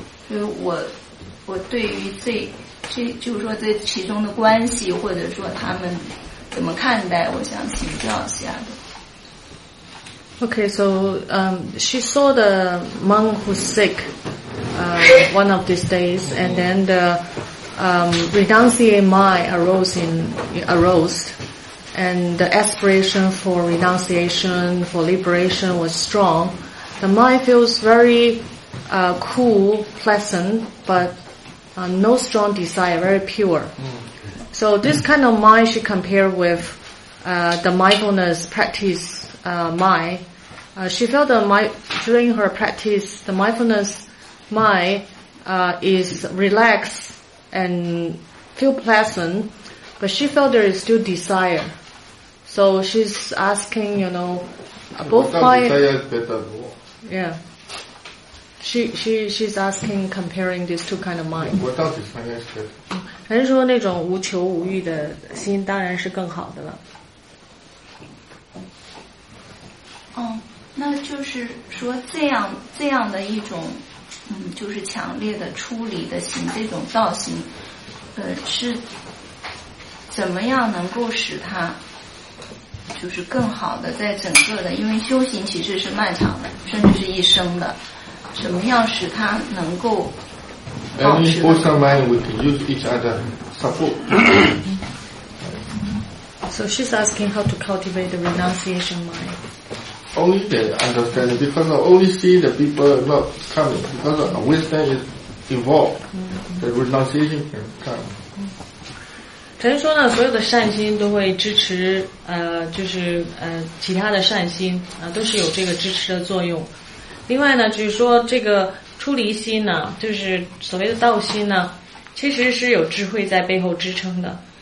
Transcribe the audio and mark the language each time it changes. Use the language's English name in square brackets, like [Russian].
[Chinese] 所以我对于这就是说这其中的关系，或者说他们怎么看待，我想请教一下的。 [English] Okay, so she saw the monk who's sick one of these days, and then the renunciation mind arose, and the aspiration for renunciation, for liberation was strong. The mind feels very cool, pleasant, but no strong desire, very pure. So this kind of mind should compare with the mindfulness practice mind. She felt during her practice, the mindfulness mind is relaxed and feel pleasant, but she felt there is still desire. So she's asking, both mind. Yeah. She's asking, comparing these two kind of mind. [Chinese] 我倒是参加是。还是说那种无求无欲的心当然是更好的了。哦，那就是说这样的一种，就是强烈的出离的心，这种道心，是怎么样能够使它就是更好的在整个的，因为修行其实是漫长的，甚至是一生的，怎么样使它能够。 [English] Any wholesome mind we can use each other support. So she's asking how to cultivate the renunciation mind. Only the understanding, because I only see the people not coming, because the wisdom is involved, the renunciation can come. [Chinese] 陈说呢，所有的善心都会支持，就是其他的善心啊，都是有这个支持的作用。另外呢，就是说这个出离心呢，就是所谓的道心呢，其实是有智慧在背后支撑的。